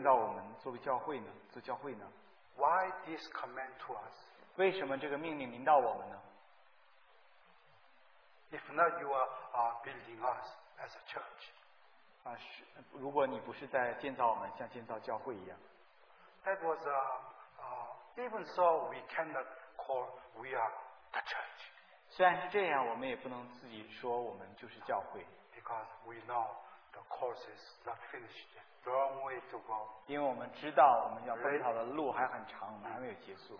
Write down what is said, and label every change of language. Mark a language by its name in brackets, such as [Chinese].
[Chinese] 我就问主说，主啊，是否你在考虑你在说你现在就在建造我们作为教会呢？做教会呢？ [English] Why this command to us? [Chinese] 为什么这个命令临到我们呢？ [English] If not, you are building us as a church. [Chinese] 如果你不是在建造我们，像建造教会一样。 [English] That was even so, we cannot call we are the church. [Chinese] 虽然是这样，我们也不能自己说我们就是教会。 [English] Because we know the course is not finished yet. Long way to go. [Chinese] 因为我们知道我们要奔跑的路还很长，我们还没有结束。